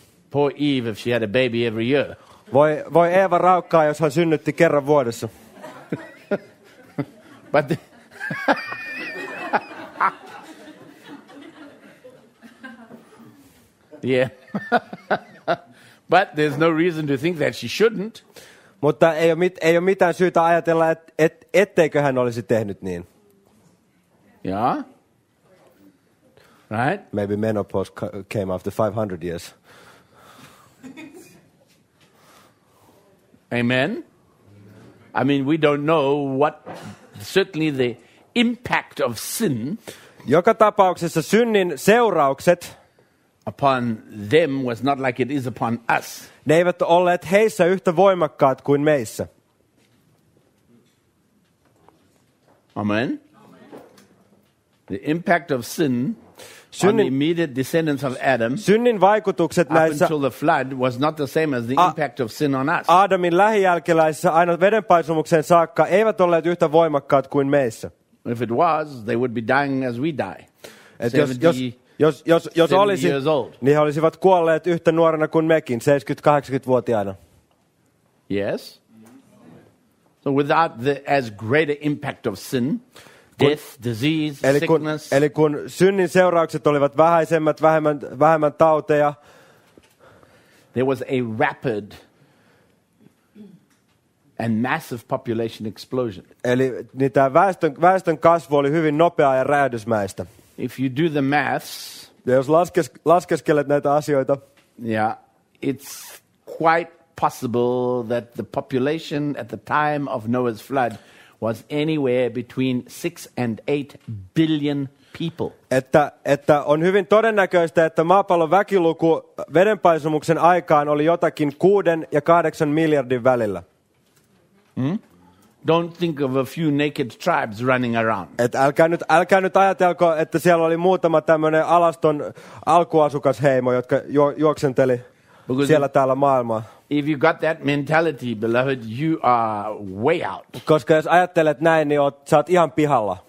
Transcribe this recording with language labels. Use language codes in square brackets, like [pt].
[en] Poor Eve if she had a baby every year. [fi] Voi Eeva raukkaa, jos hän synnytti kerran vuodessa. [en] But the yeah. But there's no reason to think that she shouldn't. [fi] Mutta ei ole mitään syytä ajatella, etteikö hän olisi tehnyt niin. [en] Yeah. Right? Maybe menopause came after 500 years. Amen. I mean, we don't know what certainly the impact of sin. [fi] Joka tapauksessa synnin seuraukset [en] upon them was not like it is upon us. [fi] Ne eivät olleet heissä yhtä voimakkaat kuin meissä. [en] Amen. The impact of sin synnin, on the immediate descendants of Adam. [fi] Synnin vaikutukset näissä, [en] until the flood was not the same as the impact of sin on us. [fi] Adamin lähijälkeläisissä aina vedenpaisumukseen saakka eivät olleet yhtä voimakkaat kuin meissä. [en] If it was, they would be dying as we die. [fi] Et jos olisi, niin he olisivat kuolleet yhtä nuorena kuin mekin, 70-80-vuotiaana. [en] Yes. So without the as greater impact of sin, death, disease, sickness. [fi] Eli kun synnin seuraukset olivat vähäisemmät, vähemmän tauteja. [en] There was a rapid and massive population explosion. [fi] Eli niin tämä väestön kasvu oli hyvin nopeaa ja räjähdysmäistä. [en] If you do the maths, [fi] ja jos laskeskelet näitä asioita, [en] yeah, it's quite possible that the population at the time of Noah's flood was anywhere between 6 and 8 billion people. [fi] Että on hyvin todennäköistä, että maapallon väkiluku vedenpaisumuksen aikaan oli jotakin 6 ja 8 miljardin välillä. [en] Don't think of a few naked tribes running around. [fi] Et älkää nyt ajatelko, että siellä oli muutama tämmönen alaston alkuasukasheimo, jotka juoksenteli siellä täällä maailmaa. [en] If you got that mentality, beloved, you are way out. [fi] Koska jos ajattelet näin, niin sä oot ihan pihalla.